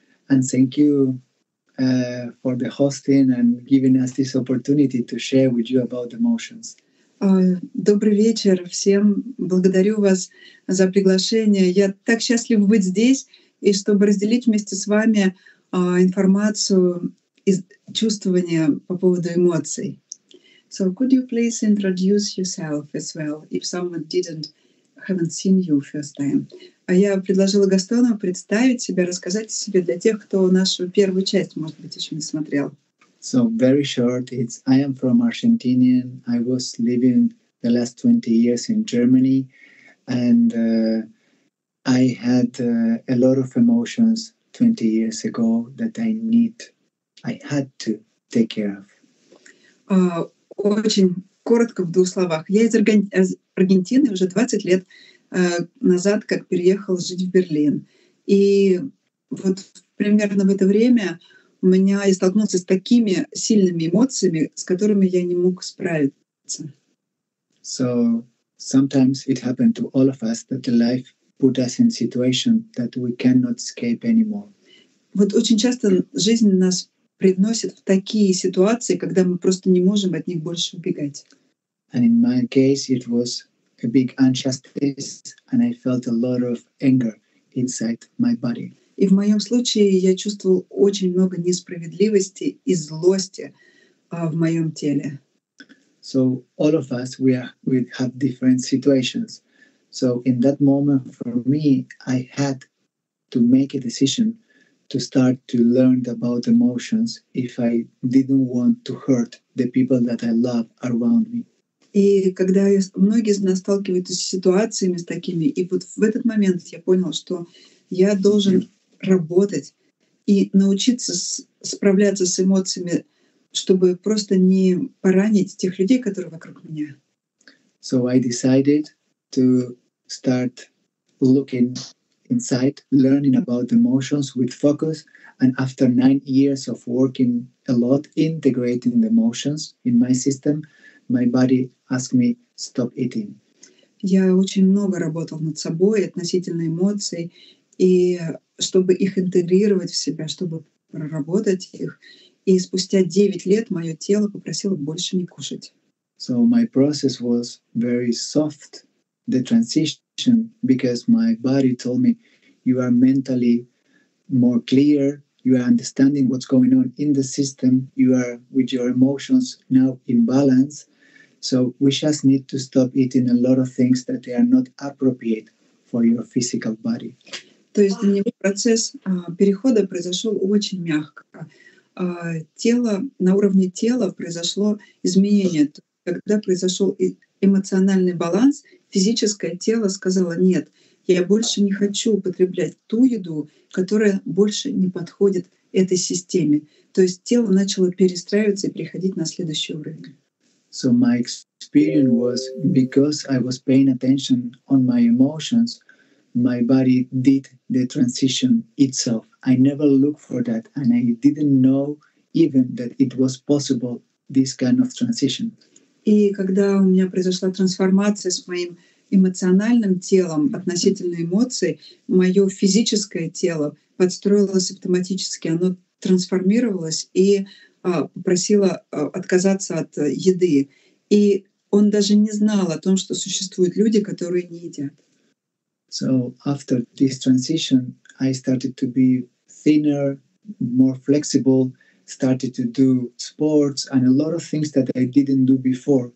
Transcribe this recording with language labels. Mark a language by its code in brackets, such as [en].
[en] And thank you for the hosting and giving us this opportunity to share with you about emotions. [ru] Добрый вечер всем. Благодарю вас за приглашение. Я так счастлив быть здесь и чтобы разделить вместе с вами информацию и чувствования по поводу эмоций. [en] So could you please introduce yourself as well, if someone didn't, haven't seen you first time? [ru] А я предложила Гастону представить себя, рассказать о себе для тех, кто нашу первую часть, может быть, еще не смотрел. [en] So very short, it's I am from Argentina. I was living the last 20 years in Germany, and I had a lot of emotions 20 years ago that I had to take care of. [ru] Очень коротко в двух словах. Я из Аргентины уже 20 лет. Назад, как переехал жить в Берлин. И вот примерно в это время у меня я столкнулся с такими сильными эмоциями, с которыми я не мог справиться. [en] So sometimes it happened to all of us that the life put us in situation that we cannot escape anymore. [ru] Вот очень часто жизнь нас приносит в такие ситуации, когда мы просто не можем от них больше убегать. [en] And in my case it was a big injustice, and I felt a lot of anger inside my body. [ru] И в моем случае я чувствовал очень много несправедливости и злости в моем теле. [en] So all of us we have different situations. So in that moment for me, I had to make a decision to start to learn about emotions if I didn't want to hurt the people that I love around me. [ru] И когда многие из нас сталкиваются с ситуациями с такими, и вот в этот момент я понял, что я должен работать и научиться справляться с эмоциями, чтобы просто не поранить тех людей, которые вокруг меня. [en] So I decided to start looking inside, learning about emotions with focus, and after 9 years of working a lot, integrating the emotions in my system, my body asked me stop eating. [ru] Я очень много работал над собой относительно эмоций, и чтобы их интегрировать в себя, чтобы проработать их, и спустя 9 лет мое тело попросило больше не кушать. [en] So my process was very soft, the transition, because my body told me you are mentally more clear, you are understanding what's going on in the system, you are with your emotions now in balance. So we just need to stop eating a lot of things that they are not appropriate for your physical body. [ru] То есть для него процесс перехода произошел очень мягко. Тело, на уровне тела произошло изменение. Когда произошел эмоциональный баланс, физическое тело сказало, нет, я больше не хочу употреблять ту еду, которая больше не подходит этой системе. То есть тело начало перестраиваться и переходить на следующий уровень. [en] So my experience was, because I was paying attention on my emotions, my body did the transition itself. I never looked for that, and I didn't know even that it was possible, this kind of transition. [ru] И когда у меня произошла трансформация с моим эмоциональным телом относительно эмоций, мое физическое тело подстроилось автоматически, оно трансформировалось и попросило отказаться от еды. И он даже не знал о том, что существуют люди, которые не едят. [en] So after this transition, I started to be thinner, more flexible, started to do sports and a lot of things that I didn't do before.